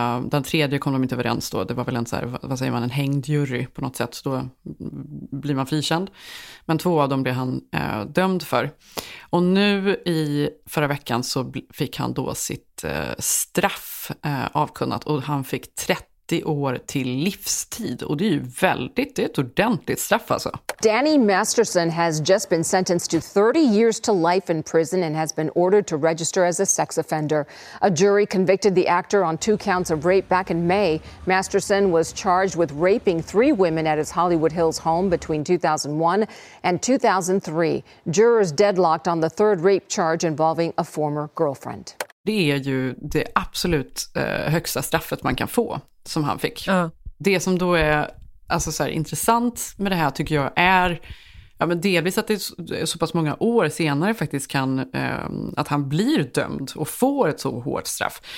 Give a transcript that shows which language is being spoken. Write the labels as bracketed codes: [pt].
[sv] Den tredje kom de inte överens då. Det var väl en så här, vad säger man, en hängd jury på något sätt, så då blir man frikänd. Men 2 av dem blev han dömd för. Och nu i förra veckan så fick han då sitt straff avkunnat, och han fick 30 30 år till livstid. Och det är ju väldigt, det är ett ordentligt straff alltså. [en] Danny Masterson has just been sentenced to 30 years to life in prison and has been ordered to register as a sex offender. A jury convicted the actor on two counts of rape back in May. Masterson was charged with raping three women at his Hollywood Hills home between 2001 and 2003. Jurors deadlocked on the third rape charge involving a former girlfriend. [sv] Det är ju det absolut högsta straffet man kan få som han fick. Det som då är alltså så här, intressant med det här tycker jag är ja, men delvis att det är så pass många år senare faktiskt kan att han blir dömd och får ett så hårt straff.